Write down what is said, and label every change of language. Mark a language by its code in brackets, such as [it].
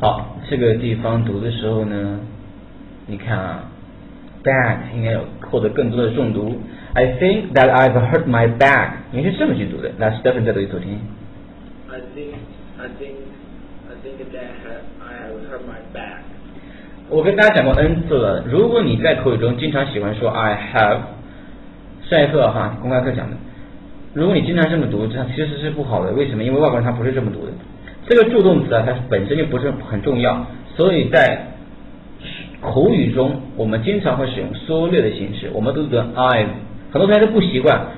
[zh] 好，这个地方读的时候呢，你看啊， back 应该有获得更多的重读。 [en] I think that I've hurt my back， [zh] 你是这么去读的。那 Stephen 再读一读听。 [en] I think that I have hurt my back。 [zh] 我跟大家讲过 N 次了，如果你在口语中经常喜欢说 [en] I have， [zh] 上一课哈公开课讲的，如果你经常这么读，这其实是不好的。为什么？因为外国人他不是这么读的。这个助动词啊，它本身就不是很重要，所以在口语中，我们经常会使用缩略的形式。我们都读 I， 很多同学都不习惯。